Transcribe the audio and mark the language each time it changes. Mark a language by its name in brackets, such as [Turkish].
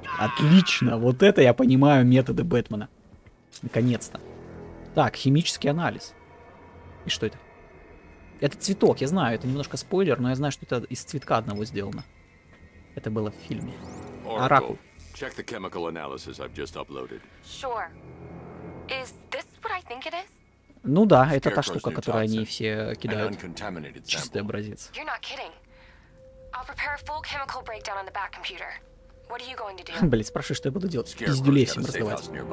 [Russian] Отлично, вот это я понимаю методы Бэтмена. Наконец-то. Так, химический анализ. И что это? Это цветок, я знаю, это немножко спойлер, но я знаю, что это из цветка одного сделано. Это было в фильме. [English] Оракул, check the chemical analysis I've just uploaded. Sure. Is this what I think it is? [Russian] Ну да, это та штука, которую они все кидают. Чистый образец. [English] You're not kidding. I'll prepare a full chemical breakdown on the back computer. What are you going to do? [Russian] Блин, спрашивай, что я буду делать. Пиздюлей всем раздавать.